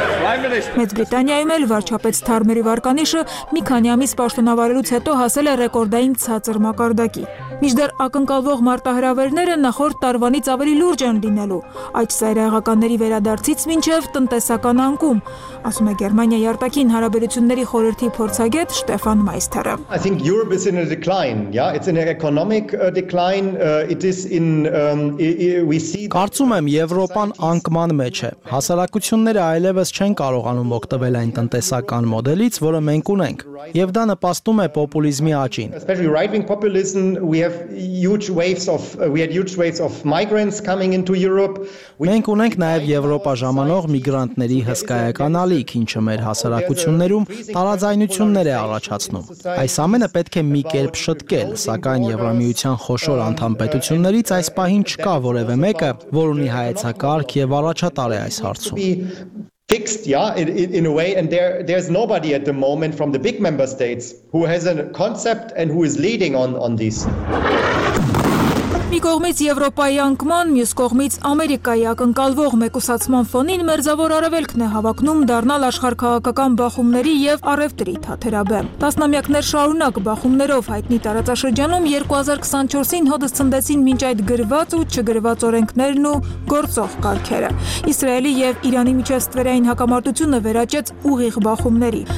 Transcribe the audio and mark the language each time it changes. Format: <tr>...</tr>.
<hy>Մեծ Բրիտանիայում էլ վարչապետ Սթարմերի վարկանիշը մի քանի ամիս պաշտոնավարելուց հետո հասել է ռեկորդային ցածր մակարդակի։ Միջդեռ ակնկալվող մարտահրավերները նախորդ տարվանից ավելի լուրջ են լինելու, այդ սայրահեղականների վերադարձից մինչև տնտեսական անկում, ասում է Գերմանիայի արտաքին հարաբերությունների խորհրդի փորձագետ Ստեֆան Մայստերը.</hy> <en>I think Europe is in a decline, yeah, it's in an economic decline, it is in we see</en> <hy>Կարծում եմ Եվրոպան անկման մեջ է։ Հասարակությունները այլևս չեն կարողանում օգտվել այն տնտեսական մոդելից, որը մենք ունենք, եւ դա նպաստում է պոպուլիզմի աճին։</hy> <en>Especially right-wing populism, we had huge waves of migrants coming into Europe.</en> <hy>Մենք ունենք նաև Եվրոպա ժամանող միգրանտների հսկայական ալիք, ինչը մեր հասարակություններում տարաձայնություններ է առաջացնում։ Այս ամենը պետք է մի կերպ շտկել, սակայն Եվրամիության խոշոր անդամ պետություններից այս պահին չկա որևէ մեկը, որ ունի հայեցակարգ եւ առաջատար է այս հարցում։</hy> <en>Fixed, yeah, in a way, and there's nobody at the moment from the big member states who has a concept and who is leading on this.</en> <hy>Մի կողմից Եվրոպայի անկման, մյուս կողմից Ամերիկայի ակնկալվող մեկուսացման ֆոնին մերձավոր արևելքն է հավակնում դառնալ աշխարհքաղաքական բախումների եւ առևտրի թատերաբեմ։ Տասնամյակներ շարունակ բախումներով հայտնի տարածաշրջանում 2024-ին հոդս ցնդեցին մինչ այդ գրված ու չգրված օրենքներն ու գործող կարգերը։ Իսրայելի եւ Իրանի միջև ստվերային հակամարտությունը վերաճեց ուղիղ բախումների։</hy>